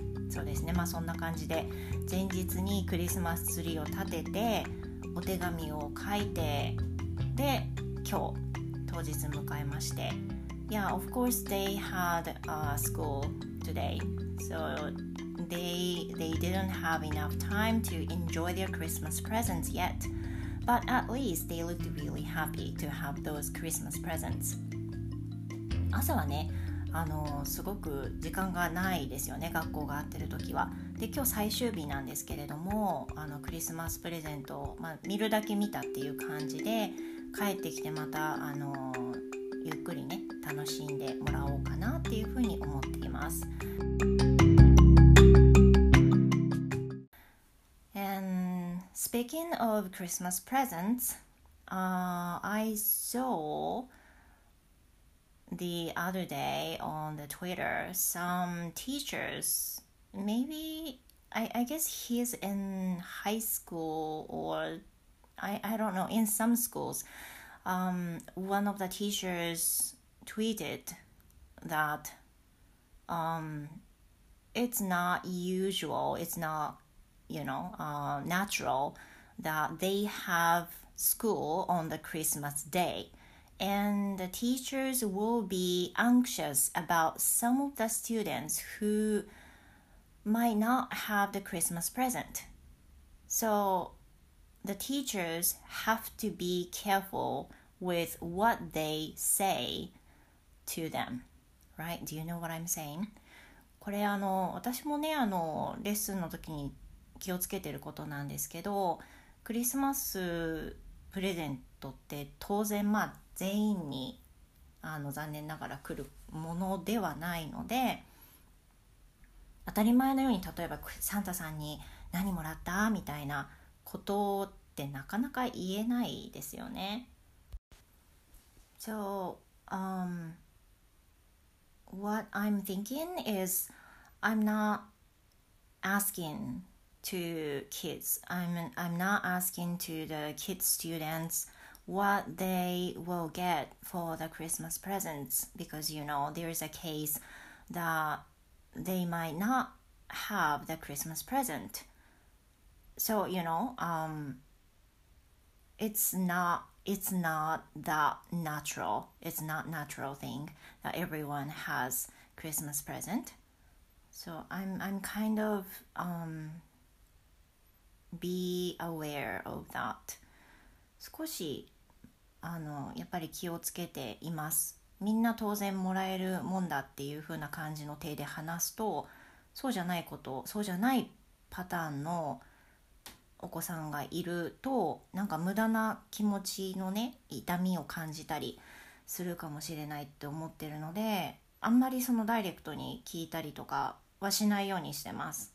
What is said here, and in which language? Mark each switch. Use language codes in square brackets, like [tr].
[ja] そうですね、まあそんな感じで前日にクリスマスツリーを立ててお手紙を書いてで今日当日迎えまして [en] Yeah, of course they had school today so they didn't have enough time to enjoy their Christmas presents yet but at least they looked really happy to have those Christmas presents [ja] 朝はねすごく時間がないですよね学校があってる時はで今日最終日なんですけれどもクリスマスプレゼントを、まあ、見るだけ見たっていう感じで帰ってきてまたゆっくりね楽しんでもらおうかなっていうふうに思っています [en] And speaking of Christmas presents I sawThe other day on the Twitter, some teachers, maybe, I guess he's in high school or I don't know, in some schools, one of the teachers tweeted that it's not usual, it's not, you know, natural that they have school on the Christmas day. And the teachers will be anxious about some of the students who might not have the Christmas present. So the teachers have to be careful with what they say to them, right? Do you know what I'm saying? [ja] これ私もね、レッスンの時に気をつけてることなんですけど、クリスマスプレゼントって当然まあ全員に残念ながら来るものではないので当たり前のように例えばサンタさんに何もらったみたいなことっってなかなか言えないですよね。 [en] So, what I'm thinking is I'm not asking to kids. I'm not asking to the kids students what they will get for the Christmas presents because, you know, there is a case that they might not have the Christmas present. So, you know, it's not that natural. It's not natural thing that everyone has Christmas present. So I'm kind of be aware of that. [ja] 少しやっぱり気をつけています。みんな当然もらえるもんだっていう風な感じの手で話すと、そうじゃないこと、そうじゃないパターンのお子さんがいると、なんか無駄な気持ちのね、痛みを感じたりするかもしれないって思ってるので、あんまりそのダイレクトに聞いたりとかはしないようにしてます。